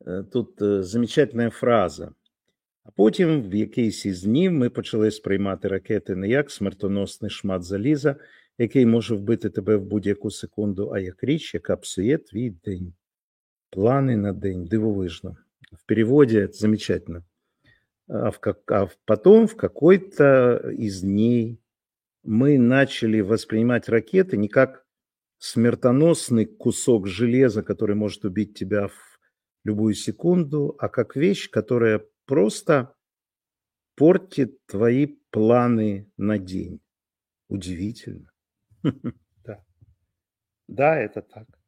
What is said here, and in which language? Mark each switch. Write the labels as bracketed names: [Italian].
[Russian] Тут замечательная фраза. [Ukrainian] А потім в якийсь із днів ми почали сприймати ракети не як смертоносний шмат заліза, який може вбити тебе в будь-яку секунду, а як річ, яка псує твій день. Плани на день. Дивовижно. В переводі – замечательно. А потім [Russian] в какой-то [Ukrainian] із днів ми почали сприймати ракети не як [Russian] смертоносный кусок железа, который может убить тебя в любую секунду, а как вещь, которая просто портит твои планы на день. Удивительно. Да. Да, это так.